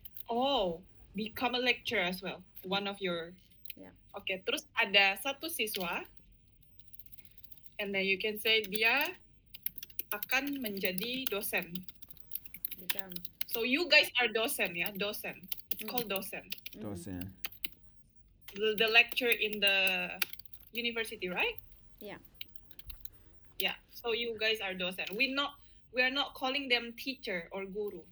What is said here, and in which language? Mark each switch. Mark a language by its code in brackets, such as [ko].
[en] Oh, become a lecturer as well. One of your. Yeah. [id] Okay, terus ada satu siswa. [en] And then you can say [id] dia akan menjadi dosen. [en] Become. So you guys are dosen, yeah? Dosen. It's called dosen. [id] Dosen. [en] The lecturer in the university, right? Yeah. Yeah, so you guys are dosen. We are not calling them teacher or guru.